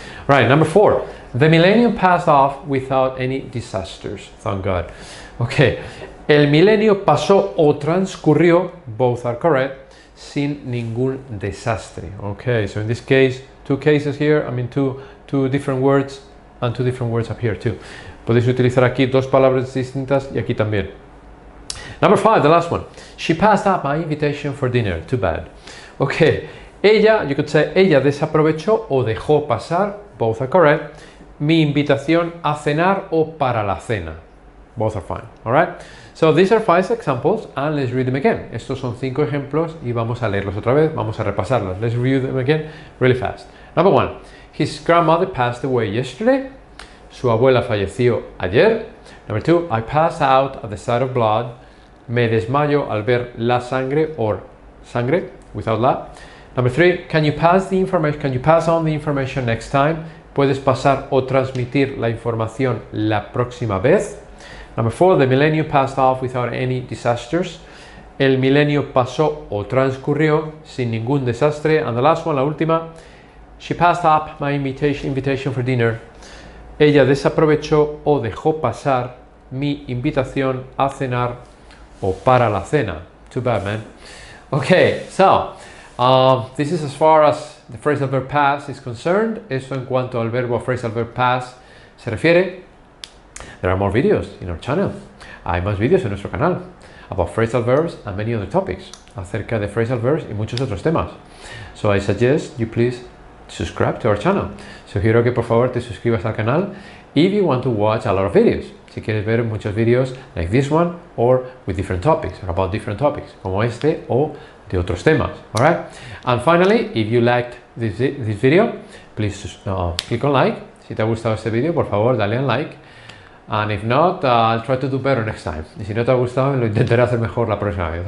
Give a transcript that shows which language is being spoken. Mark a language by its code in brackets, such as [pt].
[en] Right, number four. The millennium passed off without any disasters. Thank God. [es] Okay, el milenio pasó o transcurrió, [en] both are correct, [es] sin ningún desastre. [en] Okay, so in this case, two cases here, I mean two different words and two different words up here too. [es] Podéis utilizar aquí dos palabras distintas y aquí también. [en] Number five, the last one. She passed up my invitation for dinner. Too bad. Okay. [es] Ella, [en] you could say, [es] ella desaprovechó o dejó pasar, [en] both are correct, [es] mi invitación a cenar o para la cena. [en] Both are fine. All right. So these are five examples and let's read them again. [es] Estos son cinco ejemplos y vamos a leerlos otra vez. Vamos a repasarlos. [en] Let's review them again really fast. Number one. His grandmother passed away yesterday. [es] Su abuela falleció ayer. [en] Number two, I pass out at the sight of blood. [es] Me desmayo al ver la sangre [en] or sangre without la. Number three, can you pass on the information next time? [es] Puedes pasar o transmitir la información la próxima vez. [en] Number four, the millennium passed off without any disasters. [es] El milenio pasó o transcurrió sin ningún desastre. [en] And the last one, [es] la última, [en] she passed up my invitation for dinner. [es] Ella desaprovechó o dejó pasar mi invitación a cenar o para la cena. [en] Too bad, man. Okay, so, this is as far as the phrasal verb pass is concerned. [es] Eso en cuanto al verbo phrasal verb pass se refiere. [en] There are more videos in our channel. [es] Hay más videos en nuestro canal [en] about phrasal verbs and many other topics. [es] Acerca de phrasal verbs y muchos otros temas. [en] So I suggest you please subscribe to our channel. [es] Sugiero que por favor te suscribas al canal [en] if you want to watch a lot of videos. [es] Si quieres ver muchos videos [en] like this one or with different topics or about different topics [es] como este o de otros temas. [en] Alright? And finally, if you liked this video, please click on like. [es] Si te ha gustado este video, por favor dale un like. [en] And if not, I'll try to do better next time. [es] Y si no te ha gustado, lo intentaré hacer mejor la próxima vez.